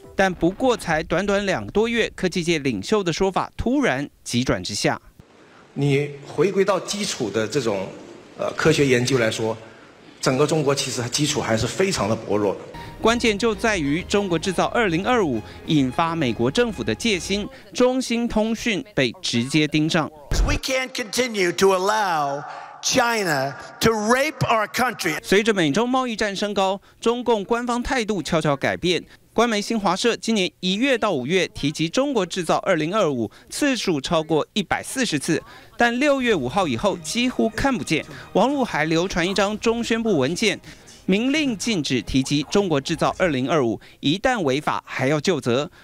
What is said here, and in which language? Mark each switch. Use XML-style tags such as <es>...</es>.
<zh>但不过才短短2个多月，科技界领袖的说法突然急转直下。你回归到基础的这种科学研究来说，整个中国其实基础还是非常的薄弱的。关键就在于中国制造2025引发美国政府的戒心，中兴通讯被直接盯上。</zh> <en>We can't continue to allow China to rape our country。</en> <zh>随着美中贸易战升高，中共官方态度悄悄改变。官媒新华社今年1月到5月提及中国制造2025次数超过140次，但6月5号以后几乎看不见。网络还流传一张中宣部文件，明令禁止提及中国制造2025，一旦违法还要就责。</zh>